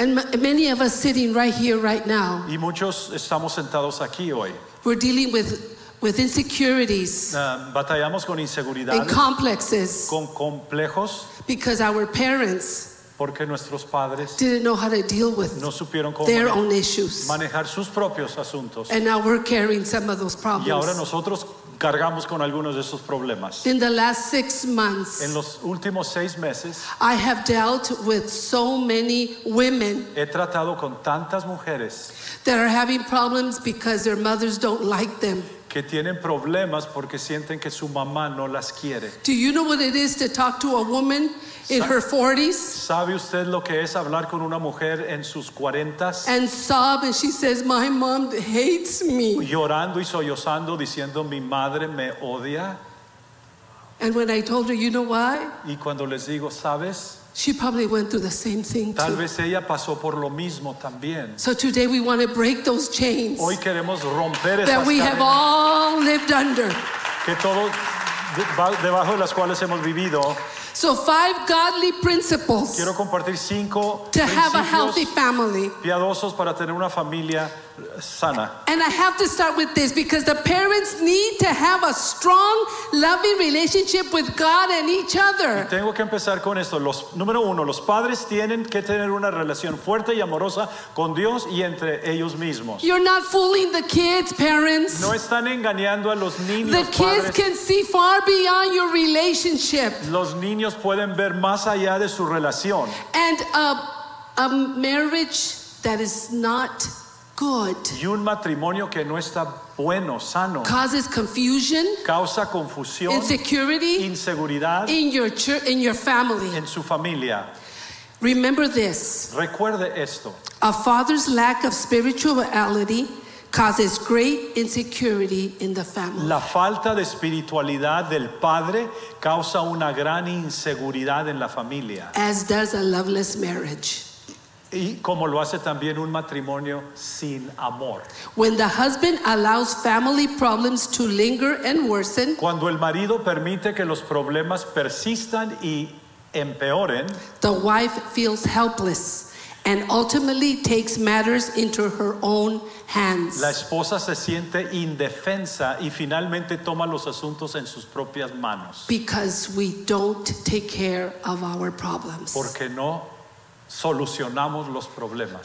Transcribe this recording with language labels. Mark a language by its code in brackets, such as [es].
[en] And many of us sitting right here right now. [es] Y muchos estamos sentados aquí hoy. [en] We're dealing with insecurities. [es] Batallamos con inseguridades. [en] And complexes. [es] Con complejos. [en] Because our parents. [es] Porque nuestros padres [en] didn't know how to deal with [es] no supieron cómo [en] their own issues. [es] Manejar sus propios asuntos. [en] And now we're carrying some of those problems. [es] Y ahora nosotros cargamos con algunos de esos problemas. [en] In the last 6 months, [es] en los últimos 6 meses, [en] I have dealt with so many women. [es] He tratado con tantas mujeres [en] that are having problems because their mothers don't like them. [es] Que tienen problemas porque sienten que su mamá no las quiere. [en] Do you know what it is to talk to a woman in her 40s? [es] ¿Sabe usted lo que es hablar con una mujer en sus 40s? [en] And sob and she says, my mom hates me. [es] Llorando y sollozando diciendo, mi madre me odia. [en] And when I told her, you know why? [es] Y cuando les digo, ¿sabes? [en] She probably went through the same thing too. [es] Tal vez ella pasó por lo mismo también. [en] So today we want to break those chains. [es] Hoy queremos romper esas cadenas. [en] That we have all lived under. [es] Que todos debajo de las cuales hemos vivido. [en] So 5 godly principles. [es] Quiero compartir 5 [en] to have a healthy family. [es] Piadosos para tener una familia sana. [en] And I have to start with this because the parents need to have a strong, loving relationship with God and each other. [es] Y tengo que empezar con esto. Número uno, los padres tienen que tener una relación fuerte y amorosa con Dios y entre ellos mismos. [en] You're not fooling the kids, parents. [es] No están engañando a los niños. [en] The kids can see far beyond your relationship. [es] Los niños pueden ver más allá de su relación. [en] And a marriage that is not good. [es] Y un matrimonio que no está bueno, sano. [en] Causes confusion. [es] Causa confusión. [en] Insecurity. [es] Inseguridad. [en] In your family. [es] En su familia. [en] Remember this. [es] Recuerde esto. [en] A father's lack of spirituality causes great insecurity in the family. [es] La falta de espiritualidad del padre causa una gran inseguridad en la familia. [en] As does a loveless marriage. [es] Y como lo hace también un matrimonio sin amor. [en] When the husband allows family problems to linger and worsen. [es] Cuando el marido permite que los problemas persistan y empeoren. [en] The wife feels helpless and ultimately takes matters into her own hands. [es] La esposa se siente indefensa y finalmente toma los asuntos en sus propias manos. [en] Because we don't take care of our problems. [es] Porque no solucionamos los problemas.